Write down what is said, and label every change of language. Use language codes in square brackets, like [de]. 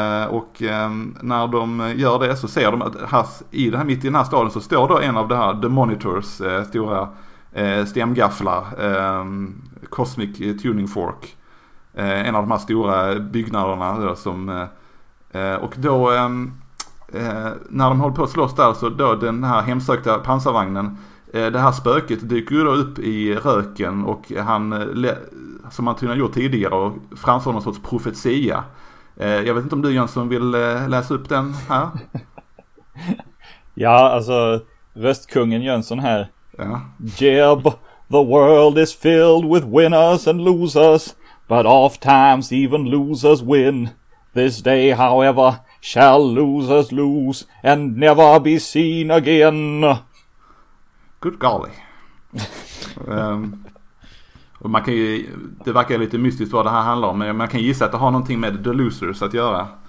[sv] Och när de gör det så ser de att mitt i den här staden så står då en av de här The Monitors stora stämgafflar, Cosmic Tuning Fork, en av de här stora byggnaderna då, som och då när de håller på att slåss där, så då den här hemsökta pansarvagnen, det här spöket dyker ju då upp i röken, och han som han tydligen gjort tidigare och framför någon sorts profetia. Jag vet inte om du Jönsson vill läsa upp den här. Ja, alltså röstkungen Jönsson här. Ja. [en] Jeb, the world is filled with winners and losers, but oft times even losers win. This day, however, shall losers lose and never be seen again. Good golly. [sv] Och man kan ju, det verkar lite mystiskt vad det här handlar om, men man kan gissa att det har någonting med The Losers att göra.